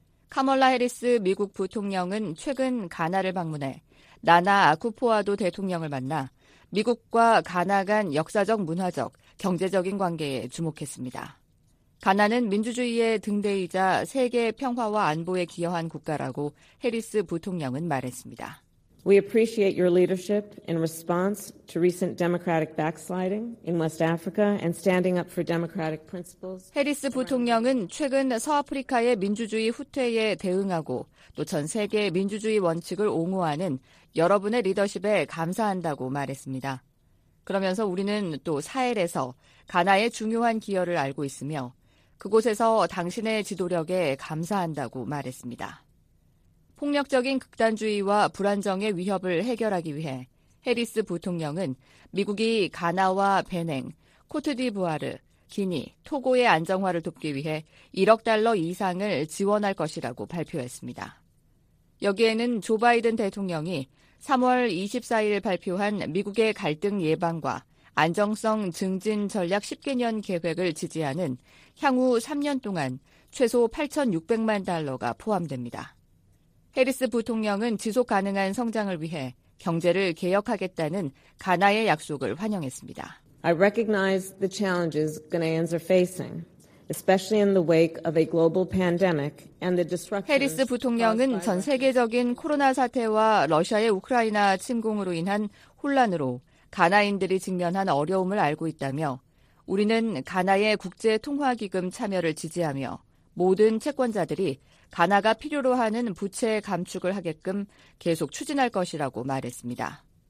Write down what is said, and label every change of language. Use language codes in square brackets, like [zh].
[ko] 카멀라 해리스 미국 부통령은 최근 가나를 방문해 나나 아쿠포아도 대통령을 만나 미국과 가나 간 역사적, 문화적, 경제적인 관계에 주목했습니다. 가나는 민주주의의 등대이자 세계 평화와 안보에 기여한 국가라고 해리스 부통령은 말했습니다. [en] We appreciate your leadership in response to recent democratic backsliding in West Africa and standing up for democratic principles. [ko] 해리스 부통령은 최근 서아프리카의 민주주의 후퇴에 대응하고 또 전 세계 민주주의 원칙을 옹호하는 여러분의 리더십에 감사한다고 말했습니다. 그러면서 우리는 또 사헬에서 가나의 중요한 기여를 알고 있으며 그곳에서 당신의 지도력에 감사한다고 말했습니다. 폭력적인 극단주의와 불안정의 위협을 해결하기 위해 해리스 부통령은 미국이 가나와 베냉, 코트디부아르, 기니, 토고의 안정화를 돕기 위해 1억 달러 이상을 지원할 것이라고 발표했습니다. 여기에는 조 바이든 대통령이 3월 24일 발표한 미국의 갈등 예방과 안정성 증진 전략 10개년 계획을 지지하는 향후 3년 동안 최소 8,600만 달러가 포함됩니다. 해리스 부통령은 지속 가능한 성장을 위해 경제를 개혁하겠다는 가나의 약속을 환영했습니다. [en] I recognize the challenges Ghanaians are facing, especially in the wake of a global pandemic and the disruptions. [ko] 해리스 부통령은 전 세계적인 코로나 사태와 러시아의 우크라이나 침공으로 인한 혼란으로 가나인들이 직면한 어려움을 알고 있다며 우리는 가나의 국제통화기금 참여를 지지하며 모든 채권자들이 가나가 필요로 하는 부채 감축을 하게끔 계속 추진할 것이라고 말했습니다.